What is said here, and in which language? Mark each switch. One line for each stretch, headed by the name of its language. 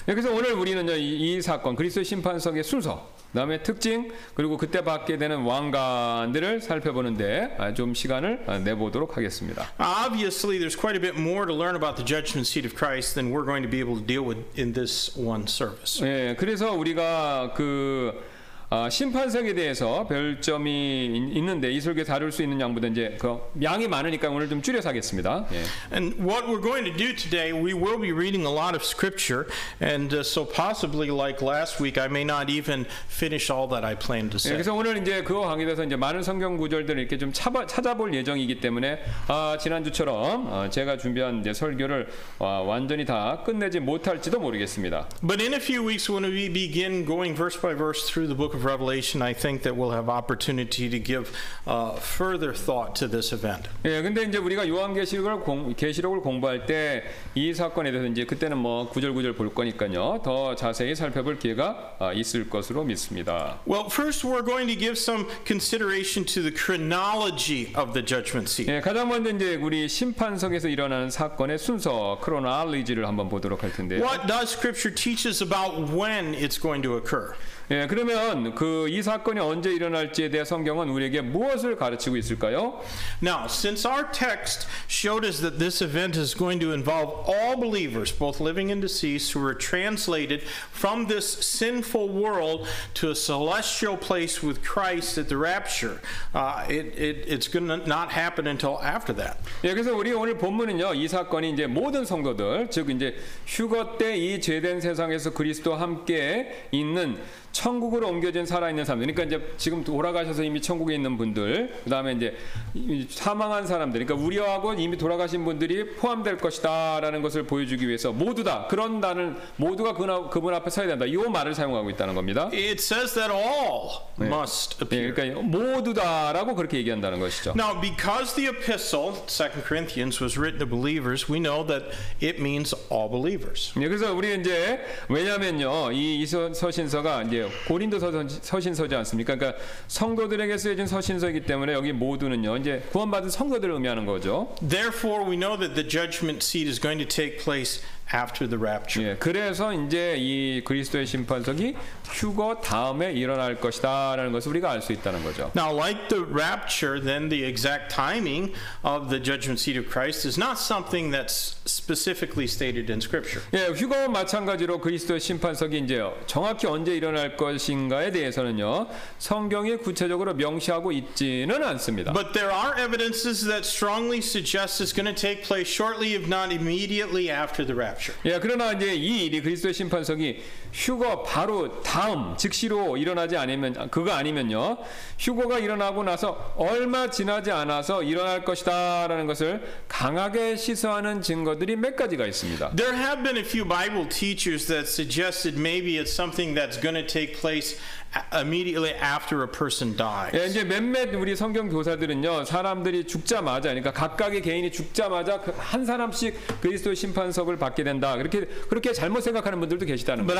Korean: 그래서 오늘 우리는 이 사건, 그리스도 심판석의 순서, 그다음에 특징, 그리고 그때 받게 되는 왕관들을 살펴보는데 좀 시간을 내보도록 하겠습니다.
English: Obviously, there's quite a bit more to learn about the judgment seat of Christ than we're going to be able to deal with in this one service.
Korean: 예, 그래서 우리가 그 심판석에 대해서 별점이 있는데 이 설교 다룰 수 있는 양보다 이제 그 양이 많으니까 오늘 좀 줄여서 하겠습니다. 예.
English: And what we're going to do today, we will be reading a lot of scripture, and so possibly like last week, I may not even finish all that I planned to say.
Korean: 예, 그래서 오늘 이제 그 강의에서 이제 많은 성경 구절들을 이렇게 좀 찾아볼 예정이기 때문에 지난주처럼 제가 준비한 이제 설교를 완전히 다 끝내지 못할지도 모르겠습니다.
English: But in a few weeks, when we begin going verse by verse through the book of Revelation, I think that we'll have opportunity to give further thought to this event.
Korean: 예, 근데 이제 우리가 요한계시록을 계시록을 공부할 때 이 사건에 대해서 이제 그때는 뭐 구절구절 볼 거니까요. 더 자세히 살펴볼 기회가 있을 것으로 믿습니다.
English: Well, first we're going to give some consideration to the chronology of the judgment seat.
Korean: 예, 가장 먼저 이제 우리 심판석에서 일어나는 사건의 순서, chronology를 한번 보도록 할 텐데요.
English: What does scripture teach us about when it's going to occur?
Korean: 예, 그러면 그 이 사건이 언제 일어날지에 대해 성경은 우리에게 무엇을 가르치고 있을까요?
English: Now, since our text showed us that this event is going to involve all believers, both living and deceased, who are translated from this sinful world to a celestial place with Christ at the rapture, it's going to not happen until after that.
Korean: 예, 그래서 우리 오늘 본문은요, 이 사건이 이제 모든 성도들, 즉 이제 휴거 때 이 죄된 세상에서 그리스도와 함께 있는 천국으로 옮겨진 살아있는 사람들, 그러니까 이제 지금 돌아가셔서 이미 천국에 있는 분들, 그 다음에 이제 사망한 사람들, 그러니까 우리하고 이미 돌아가신 분들이 포함될 것이다 라는 것을 보여주기 위해서 모두 다, 그런 단을 모두가 그분 앞에 서야 된다, 이 말을 사용하고 있다는 겁니다.
English: It says that all must appear.
Korean: 네, 그러니까 모두 다 라고 그렇게 얘기한다는 것이죠.
English: Now because the epistle 2 Corinthians was written to believers, we know that it means all believers.
Korean: 네, 그래서 우리 이제 왜냐면요, 이 서신서가 이제 고린도 서신서지 않습니까? 그러니까 성도들에게 쓰여진 서신서이기 때문에 여기 모두는요, 이제 구원받은 성도들을 의미하는 거죠.
English: Therefore, we know that the judgment seat is going to take place after the rapture.
Korean: 예, 그래서 이제 이 그리스도의 심판석이 휴거 다음에 일어날 것이다라는 것을 우리가 알 수 있다는 거죠.
English: Now, like the rapture, then the exact timing of the judgment seat of Christ is not something that's specifically stated in Scripture.
Korean: 예, 휴거와 마찬가지로 그리스도의 심판석이 이제 정확히 언제 일어날 것인가에 대해서는요, 성경이 구체적으로 명시하고 있지는 않습니다.
English: But there are evidences that strongly suggest it's going to take place shortly, if not immediately after the rapture.
Korean: 예, 그러나 이제 이 일이 그리스도의 심판석이 휴거 바로 다음 즉시로 일어나지 않으면 그거 아니면요, 휴거가 일어나고 나서 얼마 지나지 않아서 일어날 것이다라는 것을 강하게 시사하는 증거들이 몇 가지가 있습니다.
English: There have been a few Bible teachers that suggested maybe it's something that's going to take place immediately after a person dies.
Korean: 예, 이제 몇몇 우리 성경 교사들은요, 사람들이 죽자마자, 그러니까 각각의 개인이 죽자마자 한 사람씩 그리스도 심판석을 받게 된다, 그렇게 잘못 생각하는 분들도 계시다는 거죠.